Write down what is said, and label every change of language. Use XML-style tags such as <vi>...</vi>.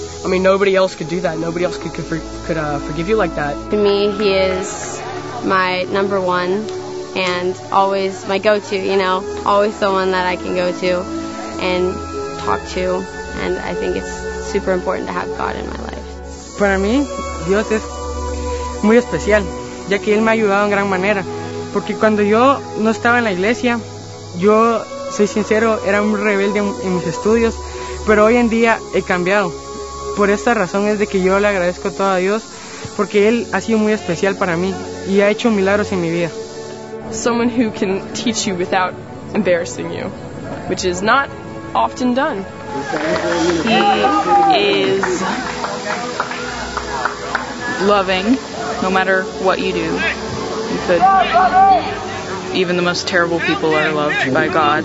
<en>I mean, nobody else could do that. Nobody else could forgive you like that. To me, he is my number one and always my go-to, you know, always someone that I can go to and talk to. And I think it's super important to have God in my life.</en> <es>Para mí, Dios es muy especial, ya que él me ha ayudado en gran manera. Porque cuando yo no estaba en la iglesia, yo, soy sincero, era un rebelde en mis estudios, pero hoy en día he cambiado. Por esta razón es de que yo le agradezco todo a Dios, porque él ha sido muy especial para mí y ha hecho milagros en mi vida.</es> <en>Someone who can teach you without embarrassing you, which is not often done. He is loving no matter what you do. But even the most terrible people are loved by God.</en>